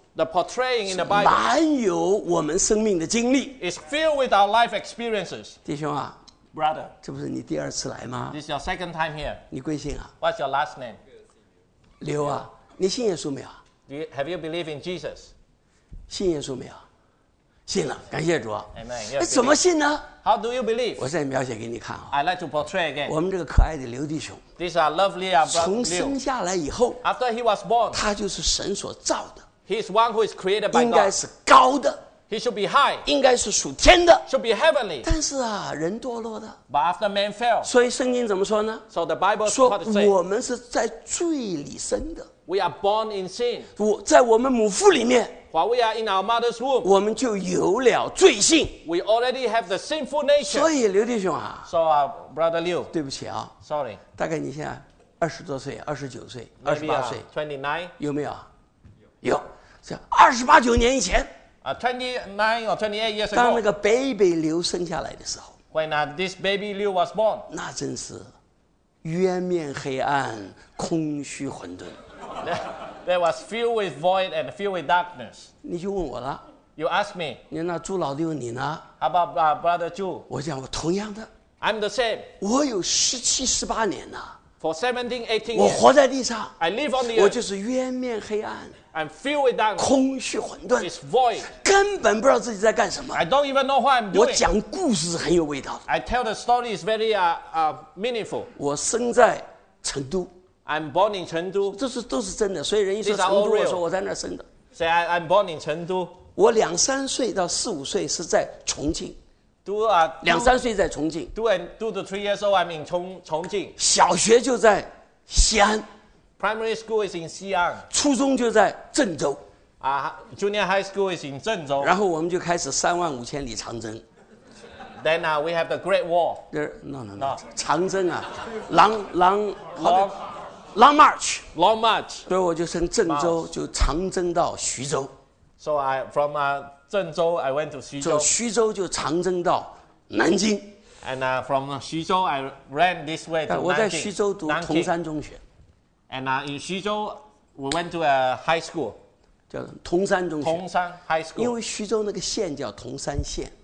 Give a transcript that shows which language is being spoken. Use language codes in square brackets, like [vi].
[en] the portraying in the Bible, [zh] 满有我们生命的经历 [en] is filled with our life experiences. [zh] 弟兄啊 [en] brother, [zh] 这不是你第二次来吗 [en] this is your second time here. [zh] 你贵姓啊 [en] what's your last name? [zh] 刘啊你信耶稣没有 [en] Do you, Have you believed in Jesus? [zh] 信耶稣没有信了感谢主 [en] Amen. [zh] 怎么信呢 [en] How do you believe? [zh] 我再描写给你看、哦、 [en] I'd like to portray again. [zh] 我们这个可爱的刘弟兄 [en] These are lovely our brother Liu. [zh] 从生下来以后 [en] After he was born. [zh] 他就是神所造的 [en] He is one who is created by God. [zh] 应该是高的 [en] He should be high. [zh] 应该是属天的 [en] Should be heavenly. [zh] 但是啊人堕落的 [en] But after man fell. [zh] 所以圣经怎么说呢 [en] So the Bible is what it says. [zh] 我们是在罪里生的 [en] We are born in sin. [zh] 在我们母腹里面 [en] While we are in our mother's womb, [zh] 我们就有了罪性 [en] We already have the sinful nature. [zh] 所以刘弟兄啊 [en] So brother Liu, [zh] 对不起啊 [en] Sorry. [zh] 大概你现在二十多岁二十九岁二十八岁 [en] 29? [zh] 有没有有这二十八九年以前 [en] 29 or 28 years ago. [zh] 当那个 baby 刘生下来的时候 [en] When this baby Liu was born. [zh] 那真是渊面黑暗空虚混沌 [en] There was filled with void and filled with darkness. [zh] 你就问我了。 [en] You ask me. [zh] 你那朱老弟问你呢。 [en] How about our brother Zhu? [zh] 我讲我同样的。 [en] I'm the same. [zh] 我有十七十八年呢。 [en] For 17, 18 years. [zh] 我活在地上。 [en] I live on the earth. [zh] 我就是渊面黑暗。 [en] I'm filled with darkness. [zh] 空虚混沌。 [en] It's void. [zh] 根本不知道自己在干什么。 [en] I don't even know what I'm doing. [zh] 我讲故事是很有味道的。 [en] I tell the story is very meaningful. [zh] 我生在成都。 [en] I'm born in 成都。 [zh] 这是都是真的，所以人一说成都，我说我在那儿生的。 [en] Say I'm born in 成都。 [zh] 我两三岁到四五岁是在重庆。两三岁在重庆。 [en] Two to three years old, I'm in 重庆。 [zh] 小学就在西安。 [en] Primary school is in 西安。 [zh] 初中就在郑州。 [en] Junior high school is in 郑州。 [zh] 然后我们就开始三万五千里长征。 [en] Then we have the Great Wall. No. [zh] 长征啊，狼。 [en] Long March, Long March. [zh] 所以我就从郑州就长征到徐州。 [en] So I from 郑州 I went to 徐州。 [zh] 徐州就长征到南京。 [en] And from 徐州 I ran this way to 南京。 [zh] 我在徐州读铜山中学。 [en] And in 徐州 we went to a high school, [zh] 叫铜山中学。 [en] 铜山 high school. [zh] 因为徐州那个县叫铜山县。